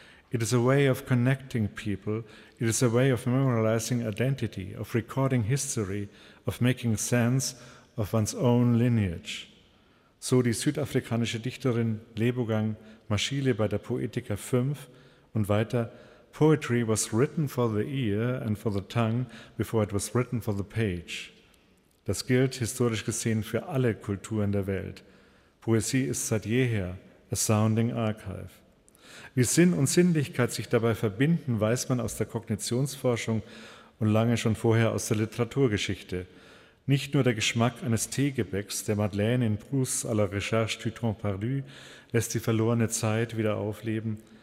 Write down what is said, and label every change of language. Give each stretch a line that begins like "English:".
English: It is a way of connecting people. It is a way of memorializing identity, of recording history, of making sense of one's own lineage.
German: So die südafrikanische Dichterin Lebogang Mashile bei der Poetica 5 und weiter.
English: Poetry was written for the ear and for the tongue before it was written for the page.
German: Das gilt historisch gesehen für alle Kulturen der Welt. Poesie ist seit jeher
English: a sounding archive.
German: Wie Sinn und Sinnlichkeit sich dabei verbinden, weiß man aus der Kognitionsforschung und lange schon vorher aus der Literaturgeschichte. Nicht nur der Geschmack eines Teegebäcks, der Madeleine in Proust à la recherche du temps perdu, lässt die verlorene Zeit wieder aufleben.